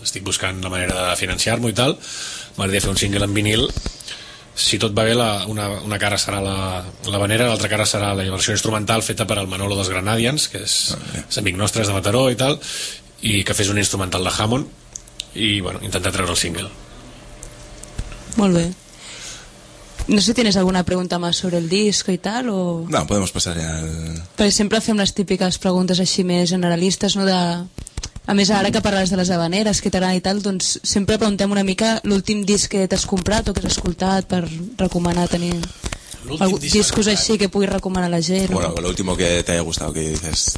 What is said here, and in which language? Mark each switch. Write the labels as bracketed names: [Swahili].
[Catalan] Estic buscant la manera de financiar-m'ho i tal, m'agradaria fer un single en vinil. Si tot va bé, una cara serà la banera, l'altra cara serà la versió instrumental feta per el Manolo dels Granadians, que és, okay, és amic nostre, és de Mataró i tal, i que fes un instrumental de Hammond, i bueno, intentar treure el single. Molt bé. [Spanish] No sé si tienes alguna pregunta más sobre el disco y tal, o... No, podemos pasar ya al... [Catalan] Perquè sempre fem les típiques preguntes així més generalistes, no, de... A més, ara que parles de les habaneres, que t'agrada i tal, doncs sempre preguntem una mica l'últim disc que t'has comprat o que has escoltat per recomanar tenir algun discos així que puguis recomanar a la gent. [Spanish] Bueno, o... [Catalan] l'últim [Spanish] que t'haia gustat, que dices...